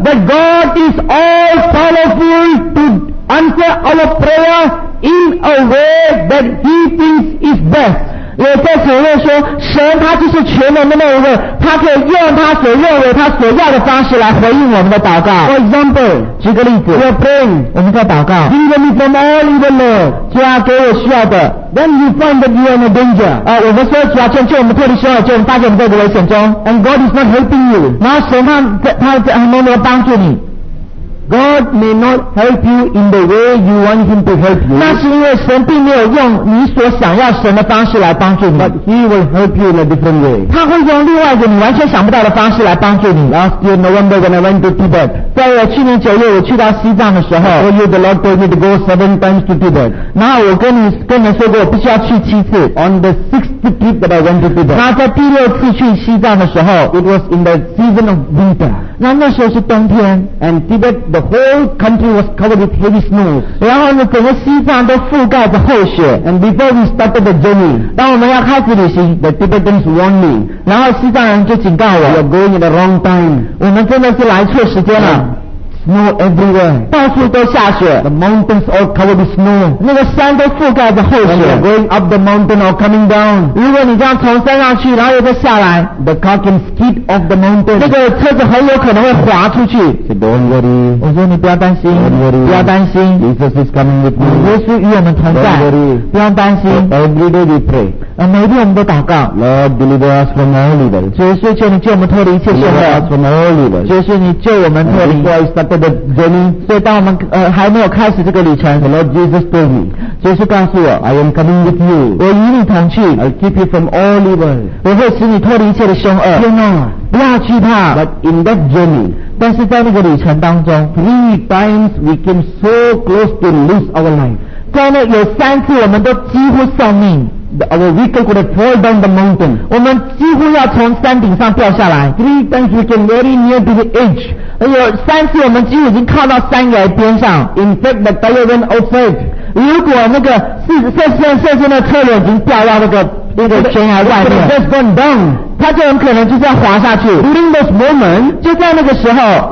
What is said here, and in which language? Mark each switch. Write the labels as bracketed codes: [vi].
[en] That God is all powerful to answer our prayer in a way that he thinks is best， [zh] 也在承认说神他就是全能的那一位，他可以用他所认为他所要的方式来回应我们的祷告。 [en] For example， [zh] 举个例子， [en] We are praying， [zh] 我们在祷告， [en] Give me from all evil Lord， [zh] 主啊给我需要的。 [en] Then you find that you are in a danger， [zh] 我们说主啊求你救我们脱离凶恶，就我们发现我们在危险中。 [en] And God is not helping you， [zh] 然后神他没有帮助你。 [en] God may not help you in the way you want him to help you， [zh] 那是因为神并没有用你所想要神的方式来帮助你。 [en] But he will help you in a different way， [zh] 他会用另外一个你完全想不到的方式来帮助你。 [en] Last year November when I went to Tibet， [zh] 在我去年九月我去到西藏的时候， [en] I told you the Lord told me to go 7 times to Tibet， [zh] 然后我跟你说过我必须要去7次。 [en] On the 6th trip that I went to Tibet， [zh] 然后在第6次去西藏的时候， [en] It was in the season of winter， [zh] 那时候是冬天。 [en] And Tibet the whole country was covered with heavy snow， [zh] 然后呢整个西藏都覆盖着厚雪。 [en] And before we started the journey， [zh] 当我们要开始旅行， [en] The Tibetans warned me， [zh] 然后西藏人就警告我， [en] You are going at the wrong time， [zh] 我们真的是来错时间了。 [en] Snow everywhere. [zh] 到处都下雪。 [en] The mountains all covered with snow. [zh] 那个山都覆盖着厚雪。 [en] When you're going up the mountain or coming down. [zh] 如果你这样从山上去，然后又再下来。 [en] The car can skid off the mountain. [zh] 那个车子很有可能会滑出去。 [en] So don't worry. [zh] 我说你不要担心。 [en] Don't worry. [zh] 不要担心。 [en] Jesus is coming with me. [zh] 耶稣与我们同在。 [en] Don't worry. [zh] 不要担心。 [en] Every day we pray. [zh] 每天我们都祷告。 [en] Lord, deliver us from all evil. [zh] 主耶稣，求你救我们脱离一切罪恶。 [en] Deliver us from all evil. [zh] 主耶稣，你救我们脱离。 [en] Before I started the journey, [zh] 所以当我们还没有开始这个旅程。 [en] The Lord Jesus told me. [zh] 主耶稣告诉我。 [en] I am coming with you. [zh] 我与你同去。 [en] I'll keep you from all evil. [zh] 我会使你脱离一切的凶恶。天哪，不要惧怕。 [en] But in that journey. [zh] 但是在那个旅程当中 [en] ，Three times we came so close to lose our life. [zh] 在那有三次我们都几乎丧命。 [en] Our vehicle could have fallen down the mountain. [zh] 我们几乎要从山顶上掉下来。 [en] Three times we came very near to the edge. [zh] 有三次我们几乎已经靠到山崖边上。 [en] In fact, the tire went outside. [zh] 如果那个四那车轮已经掉到那个悬崖外面 [en] ，just gone down. [zh] 他就很可能就是要滑下去。 [en] During this moment, [zh] 就在那个时候